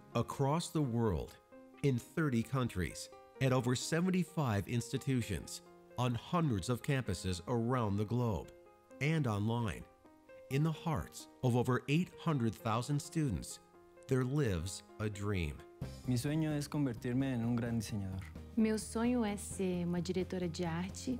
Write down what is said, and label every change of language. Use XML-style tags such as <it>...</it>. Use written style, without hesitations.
<en>Across the world, in 30 countries, at over 75 institutions, on hundreds of campuses around the globe, and online. In the hearts of over 800,000 students, there lives a dream.</en> <es>Mi sueño es convertirme en un gran diseñador.</es> <pt>Meu sonho é ser uma diretora de arte.</pt>